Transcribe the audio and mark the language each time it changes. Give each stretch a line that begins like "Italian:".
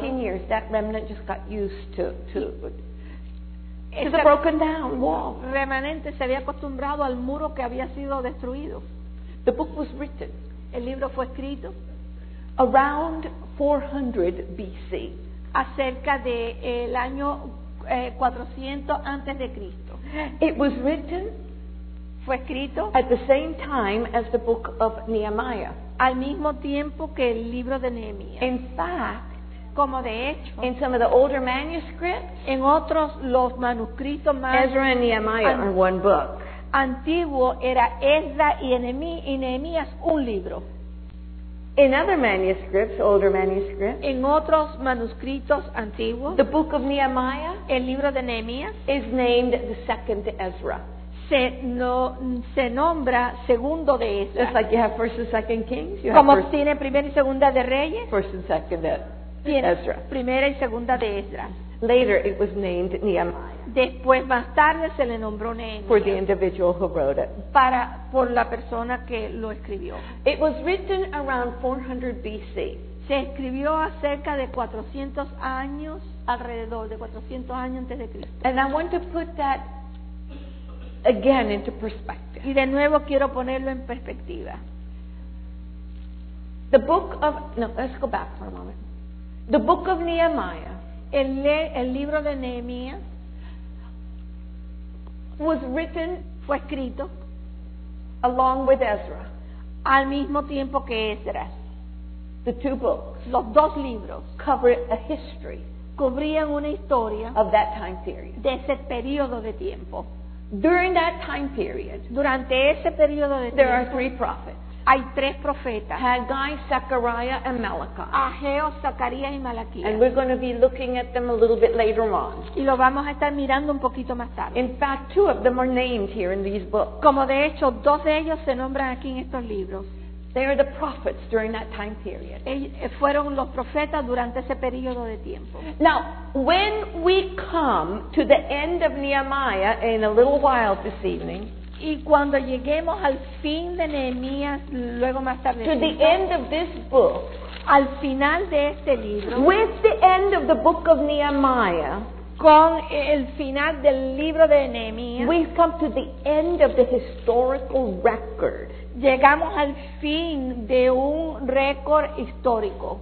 English: 13 years, that remnant just got used to the broken down wall.
Spanish: Remanente se había acostumbrado al muro que había sido destruido.
English: The book was written.
Spanish: El libro fue escrito.
English: Around 400 BC,
Spanish: acerca de el año 400 antes de Cristo.
English: It was written,
Spanish: fue escrito,
English: at the same time as the book of Nehemiah.
Spanish: Al mismo tiempo que el libro de Nehemías.
English: In fact,
Spanish: como de hecho,
English: in some of the older manuscripts,
Spanish: en otros los manuscritos más,
English: Ezra and Nehemiah are one book.
Spanish: Antiguo era Ezra y Nehemías un libro.
English: In other manuscripts, older manuscripts,
Spanish: en otros manuscritos antiguos,
English: the book of Nehemiah,
Spanish: el libro de Nehemías,
English: is named the second Ezra.
Spanish: Se nombra segundo de Ezra.
English: Just like you have first and second Kings, you
Spanish: como
English: have first,
Spanish: tiene primera y segunda de Reyes,
English: first and second Ezra.
Spanish: Primera y segunda de Ezra.
English: Later it was named Nehemiah.
Spanish: Después más tarde se le nombró Nehemiah.
English: For the individual who wrote it.
Spanish: Por la persona que lo escribió.
English: It was written around 400 BC.
Spanish: Se escribió acerca de 400 años alrededor de 400 años antes de Cristo.
English: And I want to put that again into perspective.
Spanish: Y de nuevo quiero ponerlo en perspectiva.
English: The book of let's go back for a moment. The book of Nehemiah.
Spanish: El libro de Nehemías
English: was written,
Spanish: fue escrito,
English: along with Ezra,
Spanish: al mismo tiempo que Ezra.
English: The two books,
Spanish: los dos libros,
English: cover a history,
Spanish: cubrían una historia,
English: of that time period,
Spanish: de ese periodo de tiempo.
English: During that time period,
Spanish: durante ese periodo de tiempo,
English: there are three prophets.
Spanish: Hay tres profetas.
English: Haggai, Zechariah, and Malachi.
Spanish: Ageo, Zacarías y Malaquías.
English: And we're going to be looking at them a little bit later on.
Spanish: Y lo vamos a estar mirando un poquito más tarde.
English: In fact, two of them are named here in these books.
Spanish: Como de hecho, dos de ellos se nombran aquí en estos libros.
English: They are the prophets during that time period.
Spanish: Fueron los profetas durante ese periodo de tiempo.
English: Now, when we come to the end of Nehemiah in a little while this evening,
Spanish: y cuando lleguemos al fin de Nehemías, luego más tarde,
English: to the end of this book,
Spanish: al final de este libro,
English: with the end of the book of Nehemiah,
Spanish: con el final del libro de Nehemías,
English: we've come to the end of the historical record.
Spanish: Llegamos al fin de un récord histórico.